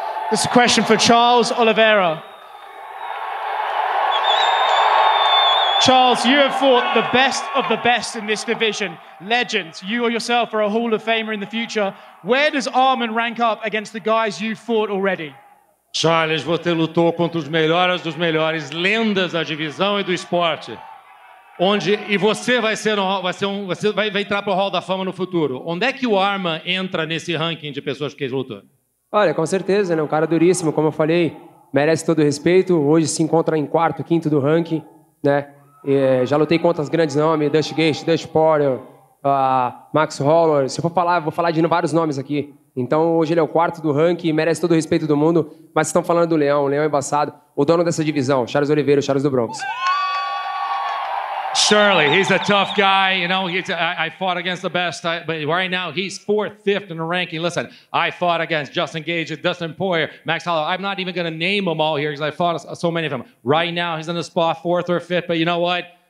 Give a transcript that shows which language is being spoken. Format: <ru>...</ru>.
<en>This is a question for Charles Oliveira. Charles, you have fought the best of the best in this division. Legends, you or yourself are a Hall of Famer in the future. Where does Arman rank up against the guys you've fought already?</en> <pt>Charles, você lutou contra os melhores dos melhores, lendas da divisão e do esporte. E você vai entrar para o Hall da Fama no futuro. Onde é que o Arman entra nesse ranking de pessoas que lutam? Olha, com certeza, né? Um cara duríssimo, como eu falei, merece todo o respeito. Hoje se encontra em quarto, quinto do ranking, né? E, já lutei contra os grandes nomes, Dustin Gaethje, Dustin Poirier, Max Holloway. Se eu for falar, vou falar de vários nomes aqui. Então, hoje ele é o quarto do ranking, merece todo o respeito do mundo, mas vocês estão falando do Leão, o Leão embaçado, o dono dessa divisão, Charles Oliveira, Charles do Bronx.</pt> <en>Surely, he's a tough guy, you know, I fought against the best, but right now he's fourth, fifth in the ranking. Listen, I fought against Justin Gaethje, Dustin Poirier, Max Holloway. I'm not even going to name them all here because I fought so many of them. Right now he's in the spot, fourth or fifth, but you know what?</en>